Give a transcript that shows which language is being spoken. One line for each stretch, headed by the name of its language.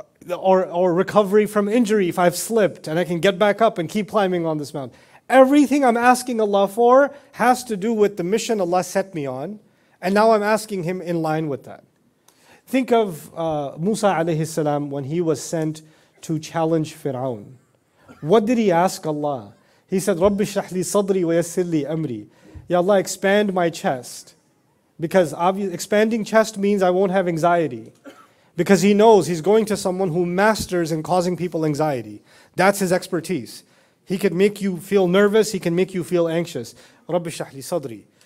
English: Or recovery from injury if I've slipped and I can get back up and keep climbing on this mountain. Everything I'm asking Allah for has to do with the mission Allah set me on, and now I'm asking Him in line with that. Think of Musa alayhi salam when he was sent to challenge Fir'aun. What did he ask Allah? He said,
Arabic: رَبِّ اشْرَحْ لِي صَدْرِي وَيَسِّرْ لِي أَمْرِي.
English: Ya Allah, expand my chest. Because expanding chest means I won't have anxiety. Because he knows he's going to someone who masters in causing people anxiety. That's his expertise. He can make you feel nervous, he can make you feel anxious.
Arabic: رَبِّ شَحْ لِي صَدْرِي.